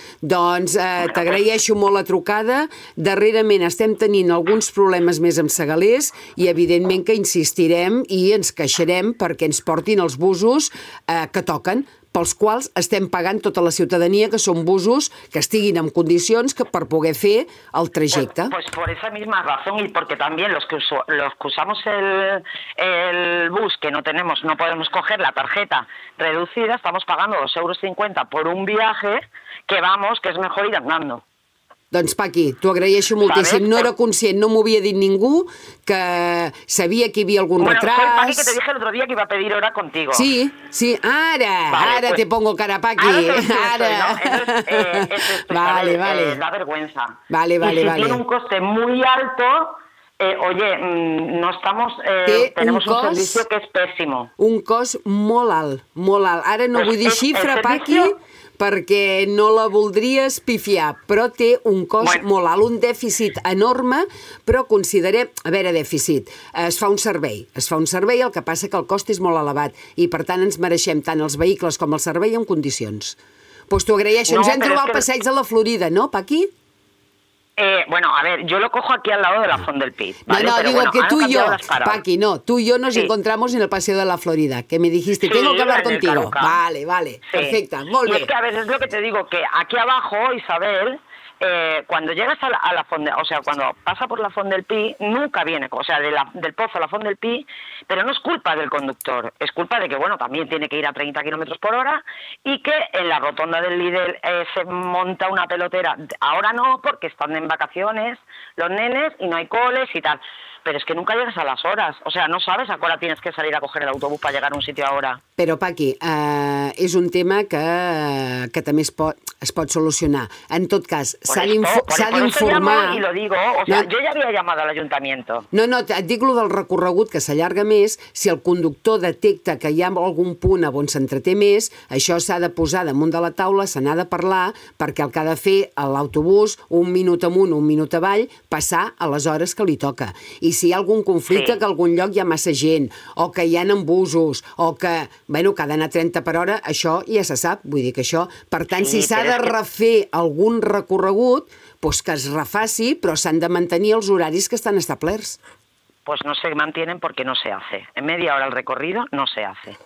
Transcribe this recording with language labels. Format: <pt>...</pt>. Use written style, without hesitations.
<ca>Doncs t'agraeixo molt la trucada. Darrerament estem tenint alguns problemes més amb segalers i evidentment que insistirem i ens queixarem perquè ens portin els busos que toquen, pels quals estem pagant tota la ciutadania, que són busos que estiguin en condicions que per poder fer el trajecte.</ca> <es>Pues por esa misma razón y porque también los que usamos el bus que no podemos coger la tarjeta reducida, estamos pagando 2,50 € por un viaje que vamos, que es mejor ir andando.</es> <ca>Doncs, Paqui, t'ho agraeixo moltíssim. No era conscient, no m'ho havia dit ningú, que sabia que hi havia algun retras.</ca> <es>Bueno, Paqui, que te dije el otro día que iba a pedir hora contigo.</es> <ca>Sí, ara, vale, ara</ca> <es>pues, te pongo cara, Paqui.</es> <ca>Ara.</ca> <es>Vale, vale. Da vergüenza. Vale, vale, si vale. Tiene un coste muy alto, Oye, no estamos... Tenemos un servicio que es pésimo.</es> <ca>Un cost molt alt, molt alt. Ara no vull dir xifra, Paqui, perquè no la voldries pifiar, però té un cost molt alt, un dèficit enorme, però considerem... A veure, dèficit, es fa un servei, el que passa que el cost és molt elevat i, per tant, ens mereixem tant els vehicles com el servei en condicions. Doncs t'ho agraeixo. Ens hem trobat al passeig de la Florida, no, Paqui?</ca> <es>Bueno, a ver, yo lo cojo aquí al lado de la Font del Pit. ¿Vale? No, digo, bueno, que tú y yo, Paqui, no, tú y yo nos encontramos en el Paseo de la Florida, que me dijiste, tengo que hablar contigo. Vale, sí. Perfecta, muy bien. Y es que a veces lo que te digo, que aquí abajo, Isabel, cuando llegas a la Font del Pit, o sea, cuando pasa por la Font del Pit, nunca viene, o sea, del pozo a la Font del Pit, pero no es culpa del conductor, es culpa de que, bueno, también tiene que ir a 30 kilómetros por hora y que en la rotonda del Lidl se monta una pelotera. Ahora no, porque están en vacaciones los nenes y no hay coles y tal, pero es que nunca llegas a las horas. O sea, no sabes a qué hora tienes que salir a coger el autobús para llegar a un sitio ahora.</es> <ca>Però, Paqui, és un tema que també es pot solucionar. En tot cas, s'ha d'informar...</ca> <es>Y lo digo, yo ya había llamado al ayuntamiento.</es> <ca>No, et dic lo del recorregut, que s'allarga més. Si el conductor detecta que hi ha algun punt on s'entreté més, això s'ha de posar damunt de la taula, se n'ha de parlar, perquè el que ha de fer l'autobús, un minut amunt, un minut avall, passar a les hores que li toca. I si hi ha algun conflicte, que en algun lloc hi ha massa gent, o que hi ha embusos, o que, bueno, que ha d'anar 30 per hora, això ja se sap, vull dir que això... Per tant, si s'ha de refer algun recorregut, doncs que es refaci, però s'han de mantenir els horaris que estan establerts.</ca> <es>Pues no se mantienen porque no se hace. En media hora el recorrido no se hace.</es>